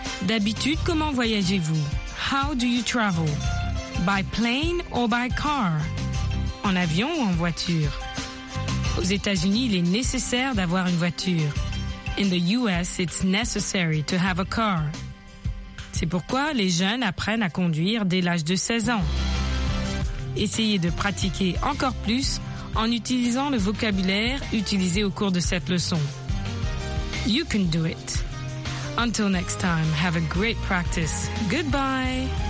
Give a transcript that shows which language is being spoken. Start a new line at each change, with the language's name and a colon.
French: D'habitude, comment voyagez-vous?
English: How do you travel? By plane or by car?
French: En avion ou en voiture? Aux États-Unis, il est nécessaire d'avoir une voiture.
English: In the US, it's necessary to have a car.
French: C'est pourquoi les jeunes apprennent à conduire dès l'âge de 16 ans. Essayez de pratiquer encore plus en utilisant le vocabulaire utilisé au cours de cette leçon.
English: You can do it. Until next time, have a great practice. Goodbye.